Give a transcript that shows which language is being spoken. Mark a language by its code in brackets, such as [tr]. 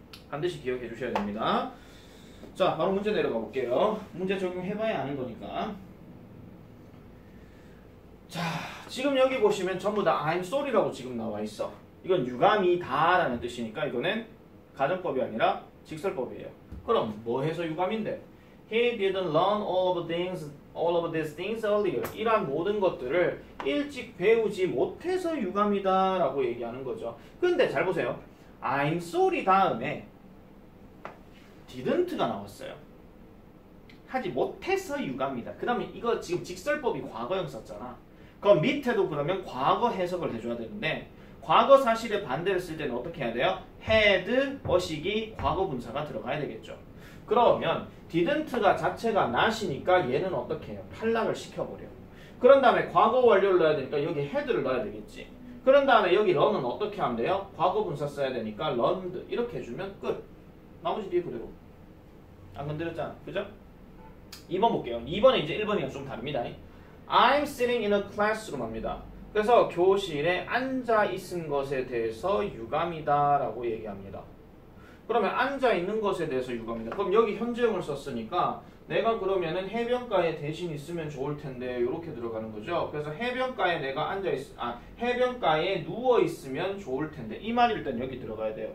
[ko] 반드시 기억해 주셔야 됩니다. 자, 바로 문제 내려가 볼게요. 문제 적용해봐야 아는 거니까. 자, 지금 여기 보시면 전부 다 I'm sorry라고 지금 나와 있어. 이건 유감이다 라는 뜻이니까 이거는 가정법이 아니라 직설법이에요. 그럼 뭐 해서 유감인데? [en] He didn't learn all of these things earlier. [ko] 이러한 모든 것들을 일찍 배우지 못해서 유감이다 라고 얘기하는 거죠. 근데 잘 보세요. I'm sorry 다음에 didn't가 나왔어요. 하지 못해서 유감이다. 그 다음에 이거 지금 직설법이 과거형 썼잖아. 그 밑에도 그러면 과거 해석을 해줘야 되는데 과거 사실의 반대를 쓸 때는 어떻게 해야 돼요? had, was이기 과거 분사가 들어가야 되겠죠. 그러면 didn't가 자체가 not이니까 얘는 어떻게 해요? 탈락을 시켜버려. 그런 다음에 과거 완료를 넣어야 되니까 여기 had를 넣어야 되겠지. 그런 다음에 여기 run은 어떻게 하면 돼요? 과거 분사 써야 되니까 learned 이렇게 해주면 끝. 나머지 뒤에 그대로. 안 건드렸잖아. 그죠? 2번 볼게요. 2번에 이제 1번이랑 좀 다릅니다. [en] I'm sitting in a classroom [ko] 합니다. 그래서 교실에 앉아 있는 것에 대해서 유감이다 라고 얘기합니다. 그러면 앉아 있는 것에 대해서 유감이다. 그럼 여기 현재형을 썼으니까 내가 그러면은 해변가에 대신 있으면 좋을 텐데 이렇게 들어가는 거죠. 그래서 해변가에 내가 해변가에 누워 있으면 좋을 텐데 이 말이 일단 여기 들어가야 돼요.